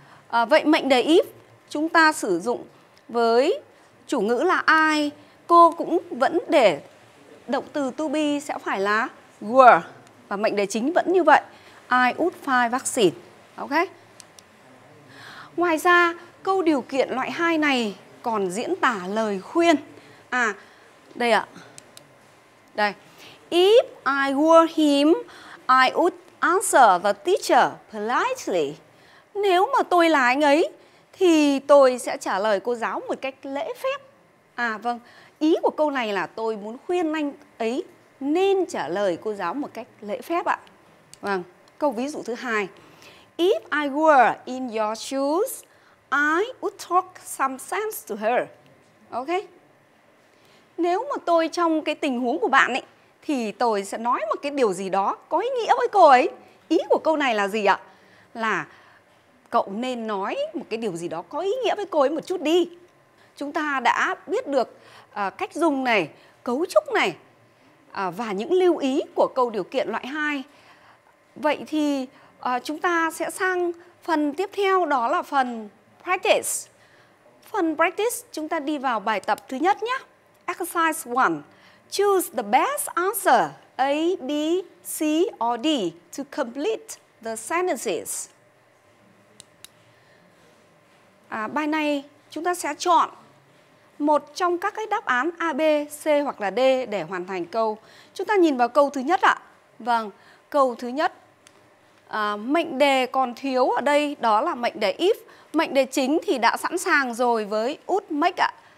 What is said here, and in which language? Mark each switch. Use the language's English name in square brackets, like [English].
[Vietnamese] Vậy mệnh đề if chúng ta sử dụng với chủ ngữ là I, cô cũng vẫn để động từ to be sẽ phải là were. Và mệnh đề chính vẫn như vậy, [English] I would find vaccine. [Vietnamese] Ok. Ngoài ra, câu điều kiện loại 2 này còn diễn tả lời khuyên. À, đây ạ. Đây. [English] If I were him, I would answer the teacher politely. [Vietnamese] Nếu mà tôi là anh ấy, thì tôi sẽ trả lời cô giáo một cách lễ phép. À, vâng. Ý của câu này là tôi muốn khuyên anh ấy nên trả lời cô giáo một cách lễ phép ạ. Vâng. Câu ví dụ thứ 2. [English] If I were in your shoes, I would talk some sense to her. Ok. [Vietnamese] Nếu mà tôi trong cái tình huống của bạn ấy, thì tôi sẽ nói một cái điều gì đó có ý nghĩa với cô ấy. Ý của câu này là gì ạ? Là cậu nên nói một cái điều gì đó có ý nghĩa với cô ấy một chút đi. Chúng ta đã biết được cách dùng này, cấu trúc này và những lưu ý của câu điều kiện loại 2. Vậy thì chúng ta sẽ sang phần tiếp theo, đó là phần practice. Phần practice, chúng ta đi vào bài tập thứ nhất nhé. [English] Exercise 1. Choose the best answer A, B, C or D to complete the sentences. [Vietnamese] Bài này chúng ta sẽ chọn một trong các cái đáp án A, B, C hoặc là D để hoàn thành câu. Chúng ta nhìn vào câu thứ nhất ạ. Vâng, câu thứ nhất. Mệnh đề còn thiếu ở đây đó là mệnh đề if. Mệnh đề chính thì đã sẵn sàng rồi với would make ạ.